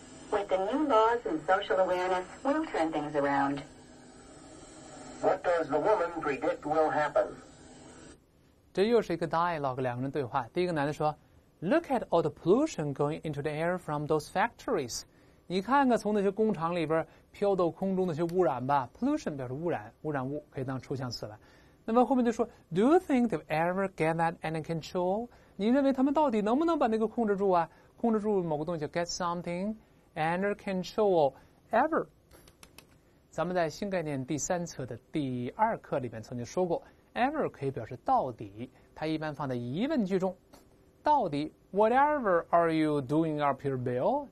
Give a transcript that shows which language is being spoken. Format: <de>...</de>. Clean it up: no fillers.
<en>With the new laws and social awareness, we'll turn things around. What does the woman predict will happen?</en> <zh>这又是一个 dialogue， 两个人对话。第一个男的说</zh> <en>，Look at all the pollution going into the air from those factories.</en> <zh>你看看从那些工厂里边飘到空中的那些污染吧。 Pollution 表示污染，污染物可以当抽象词了。那么后面就说</zh> <en>，Do you think they'll ever get that under control？</en> <zh>你认为他们到底能不能把那个控制住啊？控制住某个东西 ，</zh> <en>get something under control ever？</en> <zh>咱们在新概念第三册的第二课里面曾经说过 ，ever 可以表示到底，它一般放在疑问句中。到底</zh> <en>，Whatever are you doing up here, Bill？</en>